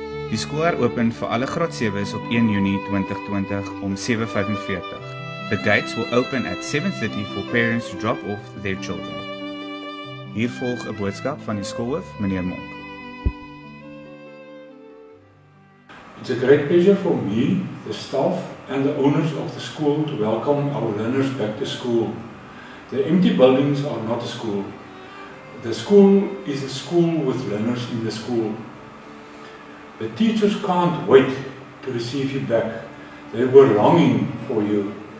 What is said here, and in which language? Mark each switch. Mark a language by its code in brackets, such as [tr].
[af] Die skool open vir alle graad 7's op 1 Junie 2020 om 7:45. [en] The gates will open at 7:30 for parents to drop off their children. [af] Hier volg 'n boodskap van die skoolhoof, meneer Monk. [en] It's a great pleasure for me, the staff and the owners of the school to welcome our learners back to school. The empty buildings are not a school. The school is a school with learners in the school. The teachers can't wait to receive you back. They were longing for you.